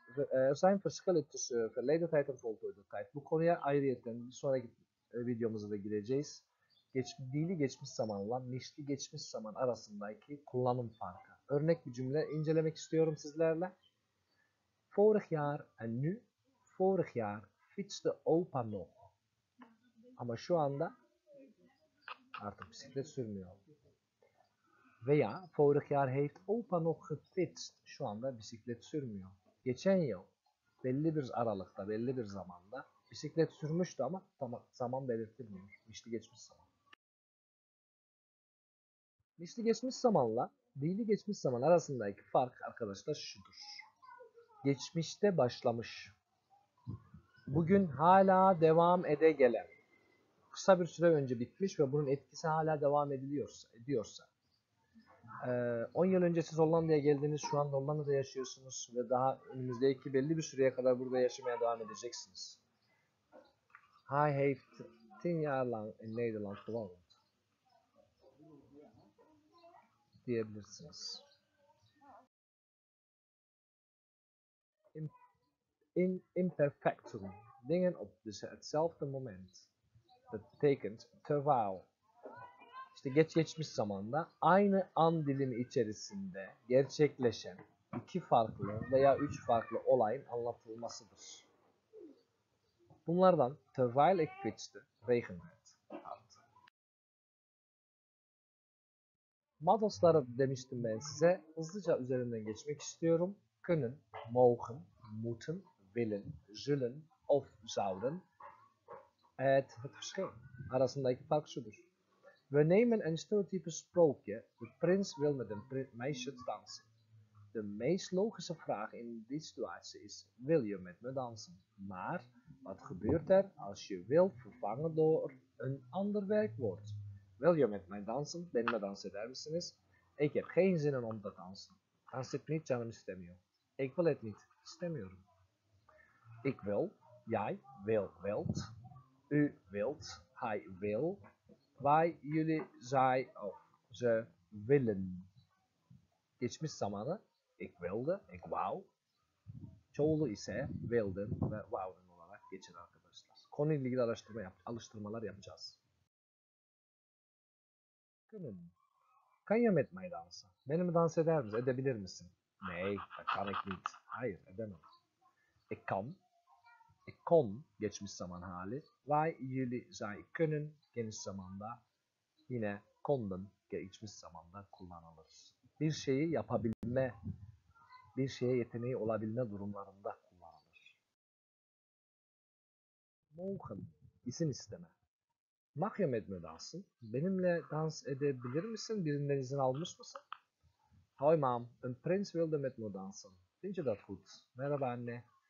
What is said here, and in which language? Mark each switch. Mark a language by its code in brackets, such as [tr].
[nl] Er zijn verschillen tussen verleden tijd en voltooide tijd. [tr] Bu konuya ayrıyeten bir sonraki videomuzda da gireceğiz. Dili geçmiş zamanla nişli geçmiş zaman arasındaki kullanım farkı. Örnek bir cümle incelemek istiyorum sizlerle. [nl] Vorig jaar en nu, vorig jaar fietste opa nog. [tr] Ama şu anda artık bisiklet sürmüyor. Veya [nl] vorig jaar heeft opa nog gefietst. [tr] Şu anda bisiklet sürmüyor. Geçen yıl belli bir aralıkta, belli bir zamanda bisiklet sürmüştü ama zaman belirtilmiyor. Nişli geçmiş zaman. Nişli geçmiş zamanla dili geçmiş zaman arasındaki fark arkadaşlar şudur. Geçmişte başlamış, bugün hala devam ede gelen, kısa bir süre önce bitmiş ve bunun etkisi hala devam ediyorsa, 10 yıl önce siz Hollanda'ya geldiniz, şu anda Hollanda'da yaşıyorsunuz ve daha önümüzdeki belli bir süreye kadar burada yaşamaya devam edeceksiniz. [nl] Hij heeft 10 jaar lang in Nederland gewoond. [tr] Diyebilirsiniz. [nl] Imperfectum. Dingen op hetzelfde moment. Dat betekent terwijl. [tr] İşte geçmiş zamanda aynı an dilimi içerisinde gerçekleşen iki farklı veya üç farklı olayın anlatılmasıdır. Bunlardan [nl] terwijl ik fietste, regende. [tr] Madosları demiştim ben size. Hızlıca üzerinden geçmek istiyorum. [nl] Können, mogen, moeten, willen, zullen, of zouden. Het verschil. [tr] Arasındaki fark şudur. [nl] We nemen een stereotype sprookje. De prins wil met een meisje dansen. De meest logische vraag in die situatie is, wil je met me dansen? Maar, wat gebeurt er als je wil vervangen door een ander werkwoord? Wil je met mij dansen? [tr] Benimle dans eder misiniz? [nl] Ik heb geen zin om te dansen. Dans ik niet, [tr] canım istemiyor. [nl] Ik wil het niet. [tr] İstemiyorum. [nl] Ik wil. Jij wil. Wilt. U wilt. Hij wil. Wij, jullie, zij, of ze willen. [tr] Geçmiş zamanı. [nl] Ik wilde. Ik wou. [tr] Çoğulu ise wilden ve wouden olarak geçer arkadaşlar. Konuyla ilgili alıştırmalar yapacağız. [nl] Kunnen. Kan je met mij dansen? [tr] Benimle dans eder misin? Edebilir misin? [nl] Nee, dat kan ik niet. [tr] Hayır, edemem. [nl] Ik kan. Ik kon. [tr] Geçmiş zaman hali. [nl] Wij, jullie, zij, kunnen. [tr] Geniş zamanda. Yine konden. Geçmiş zamanda kullanılır. Bir şeyi yapabilme, bir şeye yeteneği olabilme durumlarında kullanılır. [nl] Mogen. [tr] İsim isteme. [nl] Mag je met me dansen? [tr] Benimle dans edebilir misin? Birinden izin almış mısın? [nl] Hoi mam, een prins wilde met me dansen. Vind je dat goed? [tr] Merhaba anne.